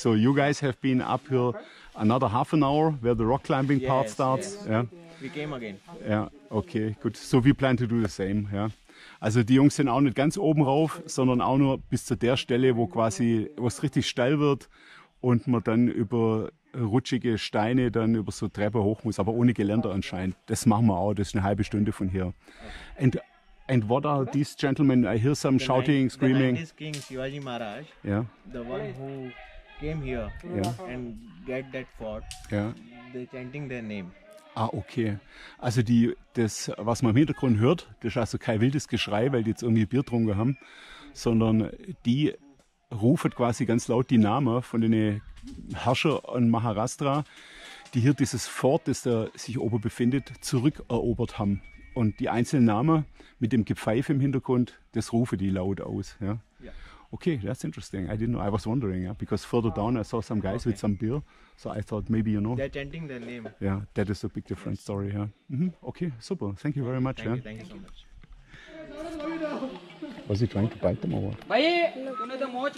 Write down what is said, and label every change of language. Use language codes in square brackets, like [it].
[en] So you guys have been up here another 30 minutes where the rock climbing part starts. Yes. Yeah. We came again. Yeah, okay, good. So we plan to do the same, yeah. [de] Also die Jungs sind auch nicht ganz oben rauf, sondern auch nur bis zu der Stelle, wo quasi, wo es richtig steil wird und man dann über rutschige Steine dann über so Treppe hoch muss, aber ohne Geländer anscheinend. Das machen wir auch, das ist eine halbe Stunde von hier. [en] And what are these gentlemen? I hear some shouting, screaming. The 90s king Shivaji Maharaj, yeah. The one who came here, yeah. And get that fort, yeah. They're chanting their name. Ah, okay. [de] Also die, das, was man im Hintergrund hört, das ist also kein wildes Geschrei, weil die jetzt irgendwie Bier getrunken haben, sondern die rufen quasi ganz laut die Namen von den Herrscher und Maharashtra, die hier dieses Fort, das da sich oben befindet, zurückerobert haben. Und die einzelnen Namen mit dem Gepfeif im Hintergrund, das rufe die laut aus. [en] Yeah? Yeah. Okay, that's interesting. I didn't know. I was wondering, yeah? Because further down I saw some guys, okay, with some beer. So I thought maybe, you know. They're chanting their name. Yeah, that is a big different, yes, story. Yeah? Mm-hmm. Okay, super. Thank you very much. Thank you so much. Was he trying to bite them or what?